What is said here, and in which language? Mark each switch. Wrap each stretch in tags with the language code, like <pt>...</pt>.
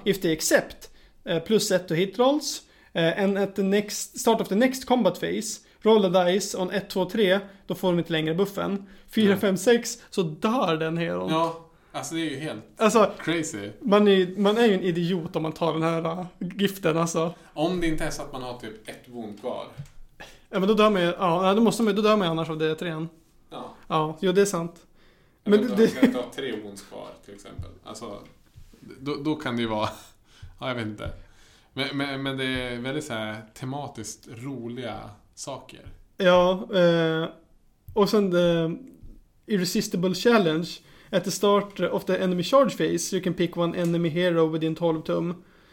<en>If they accept, plus 1 to hit rolls. And at the next start of the next combat phase, roll the dice on 1, 2, 3.</en> <sv>Då får de inte längre buffen. 4, 5, 6, så dör den hero. Ja, alltså det är ju helt alltså,</sv> <en>crazy.</en> <sv>Man är ju en idiot om man tar den här giften. Alltså. Om det inte är så att man har typ ett wound kvar. Ja, men då dör man ju, ja, då måste man, då dör man annars av D3. Ja. Ja, jo, det är sant. Ja, men då kan du ha tre wounds kvar, till exempel. Alltså, då kan det ju vara... Ja, jag vet inte. Men det är väldigt så här tematiskt roliga saker. Ja, och sen the irresistible challenge.</sv> <en>At the start of the enemy charge phase, you can pick one enemy hero within 12 tum.</en>